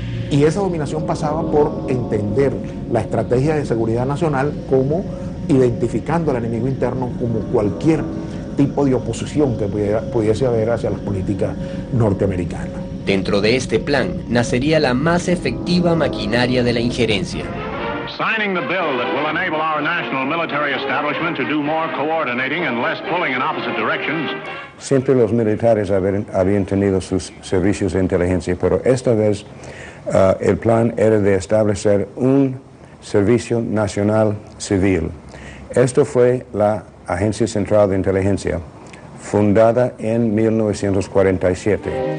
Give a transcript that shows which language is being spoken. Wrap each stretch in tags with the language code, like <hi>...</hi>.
<es>Y esa dominación pasaba por entender la estrategia de seguridad nacional como identificando al enemigo interno como cualquier tipo de oposición que pudiese haber hacia las políticas norteamericanas. Dentro de este plan nacería la más efectiva maquinaria de la injerencia.</es> <en>Signing the bill that will enable our national military establishment to do more coordinating and less pulling in opposite directions.</en> <es>Siempre los militares habían tenido sus servicios de inteligencia, pero esta vez el plan era de establecer un servicio nacional civil. Esto fue la Agencia Central de Inteligencia, fundada en 1947.</es>